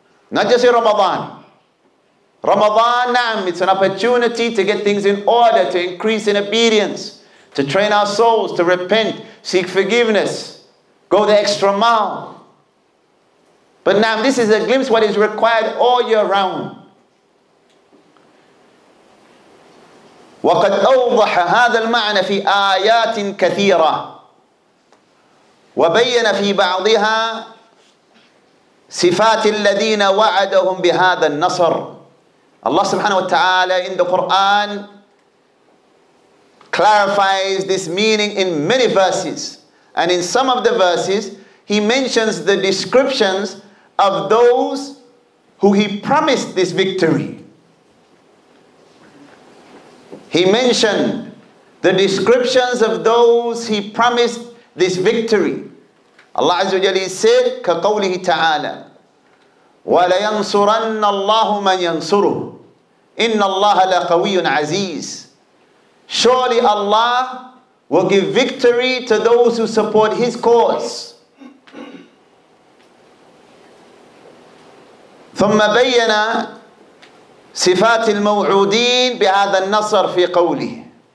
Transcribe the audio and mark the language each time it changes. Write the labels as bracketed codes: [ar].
[en] Not just in Ramadan. Ramadan, it's an opportunity to get things in order, to increase in obedience, to train our souls, to repent, seek forgiveness, go the extra mile. But this is a glimpse of what is required all year round. [ar] وَقَدْ أَوْضَحَ هَذَا الْمَعْنَى فِي آيَاتٍ كَثِيرَةٍ وَبَيَّنَ فِي بَعْضِهَا صِفَاتِ الَّذِينَ وَعَدَهُمْ بِهَذَا النَّصْرِ. [en] Allah subhanahu wa ta'ala in the Quran clarifies this meaning in many verses. And in some of the verses, he mentions the descriptions of those who he promised this victory. He mentioned the descriptions of those he promised this victory. Allah Azza wa Jalla said, [ar] كَقَوْلِهِ تَعَالَى وَلَيَنْصُرَنَّ اللَّهُ مَنْ يَنْصُرُهُ إِنَّ اللَّهَ لَقَوِيٌّ عَزِيزٌ. [en] Surely Allah will give victory to those who support His cause. [ar] ثُمَّ بَيَّنَا صِفَاتِ الْمَوْعُودِينَ بِهَذَا النَّصَرِ فِي قَوْلِهِ.